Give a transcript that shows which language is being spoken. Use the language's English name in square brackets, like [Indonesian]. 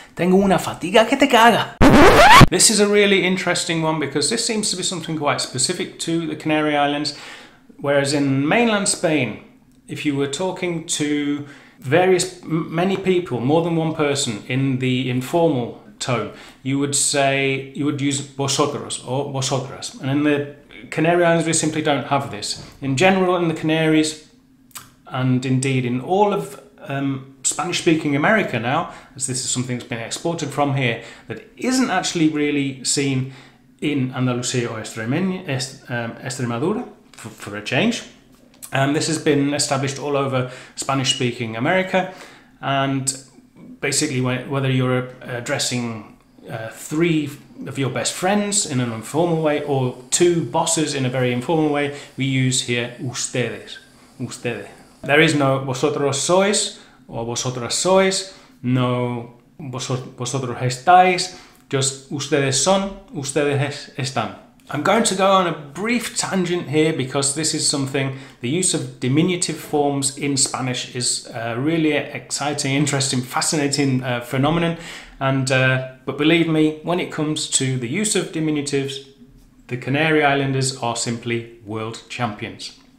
[Spanish] Tengo una fatiga que te caga. [English] This is a really interesting one because this seems to be something quite specific to the Canary Islands. Whereas in mainland Spain, if you were talking to many people, more than one person in the informal tone, you would use vosotros or vosotras. And in the Canary Islands, we simply don't have this. In general, in the Canaries, and indeed in all of Spanish-speaking America now, as this is something that's been exported from here, that isn't actually really seen in Andalusia or Extremadura, for a change. This has been established all over Spanish-speaking America, and basically whether you're addressing three of your best friends in an informal way or two bosses in a very informal way, we use here ustedes. There is no [Spanish] vosotros sois [English] or [Spanish] vosotras sois, no vosotros estáis, [English] just [Spanish] ustedes son, ustedes están. [English] I'm going to go on a brief tangent here because this is something, the use of diminutive forms in Spanish is a really exciting, interesting, fascinating phenomenon. But believe me, when it comes to the use of diminutives, the Canary Islanders are simply world champions.